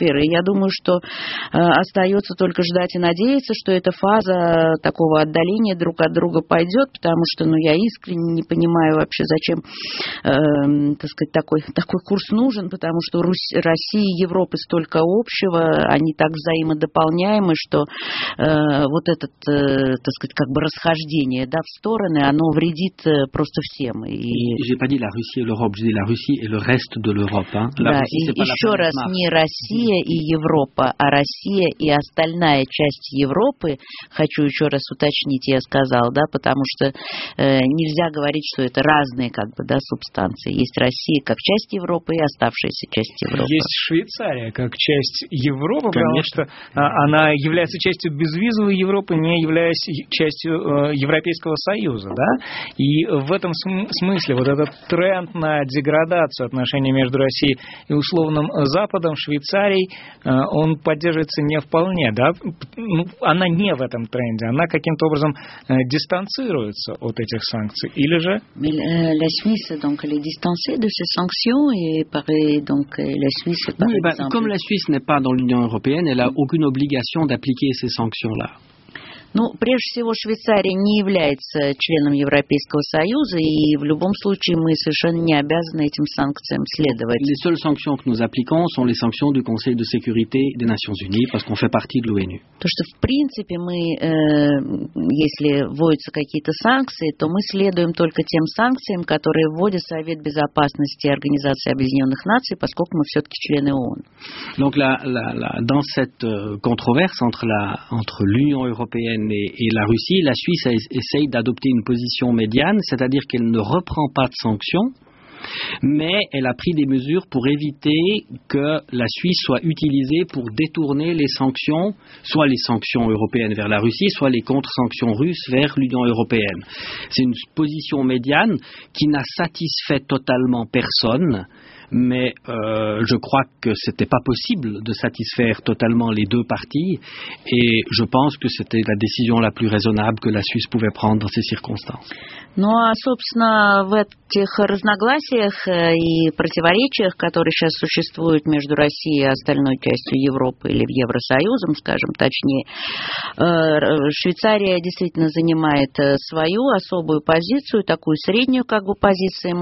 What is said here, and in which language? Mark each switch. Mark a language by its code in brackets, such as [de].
[ru] атмосферы. И я думаю, что остается только ждать и надеяться, что эта фаза такого отдаления друг от друга пойдет, потому что, ну, я искренне не понимаю вообще, зачем, так сказать, такой курс нужен, потому что Россия и Европа столько общего, они так взаимодополняемы, что вот этот, так сказать, как бы расхождение, да, в стороны, оно вредит просто всем. [fr] J'ai pas dit la Russie et l'Europe, j'ai dit la Russie et le reste de l'Europe. Hein. [ru] Да, Russie, еще раз, marque. Не Россия и Европа, а Россия и остальная часть Европы, хочу еще раз уточнить, я сказал, да, потому что нельзя говорить, что это разные, как бы, да, субстанции. Есть Россия как часть Европы и оставшаяся часть Европы. Есть Швейцария как часть Европы, конечно, потому что она является частью безвизовой Европы, не являясь частью Европейского Союза, да, и в этом смысле вот этот тренд на деградацию отношений между Россией и условным Западом, Швейцарией, он поддерживается не вполне, да, она не в этом тренде, она каким-то образом дистанцируется от этих санкций, или же... [fr] La Suisse, donc, elle est distancée de ces sanctions et pareil, donc, la Suisse, par exemple... Oui, bah, comme la Suisse n'est pas dans l'Union européenne, elle a aucune obligation d'appliquer ces sanctions-là. [ru] Ну, прежде всего, Швейцария не является членом Европейского Союза, и в любом случае мы совершенно не обязаны этим санкциям следовать. [fr] Les seules sanctions que nous appliquons sont les sanctions du Conseil de sécurité des Nations Unies, parce qu'on fait partie de l'ONU. [ru] То, что в принципе мы, если вводятся какие-то санкции, то мы следуем только тем санкциям, которые вводит Совет Безопасности Организации Объединенных Наций, поскольку мы все-таки члены ООН. [fr] Donc la dans cette controverse entre l'Union européenne et la Russie, la Suisse essaye d'adopter une position médiane, c'est-à-dire qu'elle ne reprend pas de sanctions, mais elle a pris des mesures pour éviter que la Suisse soit utilisée pour détourner les sanctions, soit les sanctions européennes vers la Russie, soit les contre-sanctions russes vers l'Union européenne. C'est une position médiane qui n'a satisfait totalement personne, mais je crois que c'était pas possible de satisfaire totalement les deux parties et je pense que c'était la décision la plus raisonnable que la Suisse pouvait prendre dans ces circonstances. [ru] Ну, а, собственно, в этих разногласиях и противоречиях, которые сейчас существуют между Россией и остальной частью Европы или Евросоюзом, скажем точнее, Швейцария действительно занимает свою особую позицию, такую среднюю как бы позицию.